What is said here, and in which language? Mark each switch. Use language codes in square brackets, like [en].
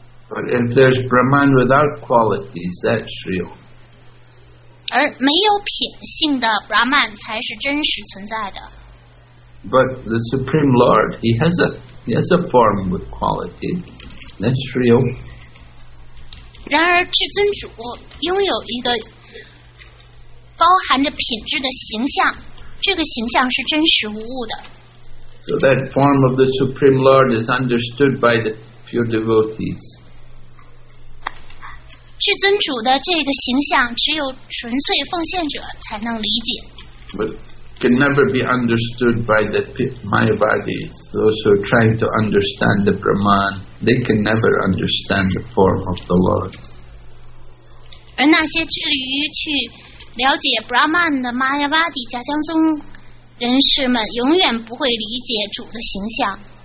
[en] But if there's Brahman without qualities, that's real. [zh] 而没有品性的 Brahman 才是真实存在的。 [en] But the Supreme Lord, he has a form with quality. That's real. [zh] 然而至尊主拥有一个包含着品质的形象，这个形象是真实无误的。 [en] So that form of the Supreme Lord is understood by the pure devotees. [zh] 至尊主的这个形象只有纯粹奉献者才能理解。 [en] But can never be understood by the Mayavadis. Those who are trying to understand the Brahman, they can never understand the form of the Lord. [zh] 而那些致力于去了解 Brahman 的 Mayavadi 家乡宗人士们永远不会理解主的形象。